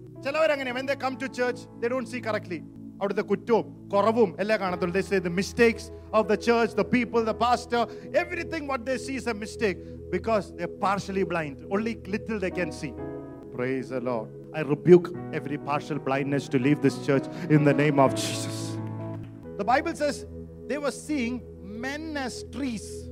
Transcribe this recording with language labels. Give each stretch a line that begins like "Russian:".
Malayalam: ചിലവർ അങ്ങനെ,
English: when they come to church, they don't see correctly.
Malayalam: അവിടുത്തെ കുറ്റവും കുറവും എല്ലാം കാണത്തുള്ളു.
English: They say the mistakes of the church, the people, the pastor, everything what they see is a mistake because they're partially blind. Only little they can see. Praise the Lord. I rebuke every partial blindness to leave this church in the name of Jesus. The Bible says they were seeing men as trees.